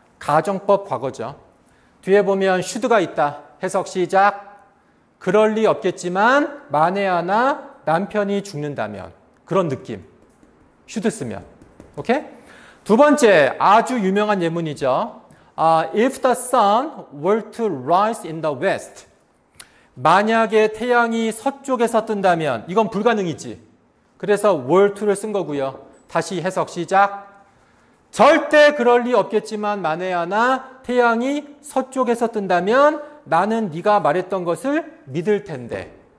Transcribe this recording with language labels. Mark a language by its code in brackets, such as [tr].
[ko] 가정법 과거죠. 뒤에 보면 should가 있다. 해석 시작. 그럴 리 없겠지만 만에 하나 남편이 죽는다면. 그런 느낌. should 쓰면. 오케이? 두 번째 아주 유명한 예문이죠. [en] If the sun were to rise in the west. [ko] 만약에 태양이 서쪽에서 뜬다면 이건 불가능이지. 그래서 were to를 쓴 거고요. 다시 해석 시작. 절대 그럴 리 없겠지만 만에 하나 태양이 서쪽에서 뜬다면 나는 네가 말했던 것을 믿을 텐데.